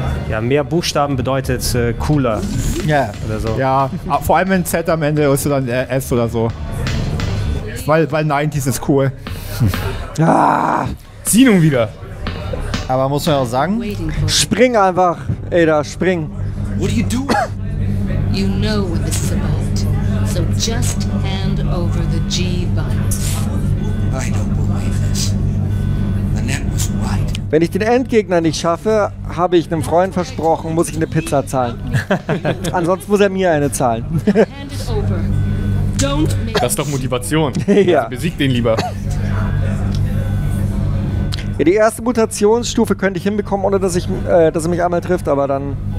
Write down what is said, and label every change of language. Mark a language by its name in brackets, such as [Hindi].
[German] Ja, mehr Buchstaben bedeutet cooler. Ja. Yeah. Oder so. Ja, vor allem wenn Z am Ende ist oder dann S oder so. Weil 90s ist cool. Zinung wieder. Aber muss man auch sagen, spring einfach, Ada, spring. [English] What are you doing? You know what this is about. So just hand over the G-Virus. I don't believe this. Annette was right. [German] Wenn ich den Endgegner nicht schaffe, habe ich einem Freund versprochen, muss ich eine Pizza zahlen. Ansonsten muss er mir eine zahlen. Das ist doch Motivation. Ja. Also besieg den lieber. Ja, die erste Mutationsstufe könnte ich hinbekommen, ohne dass ich, dass er mich einmal trifft, aber dann...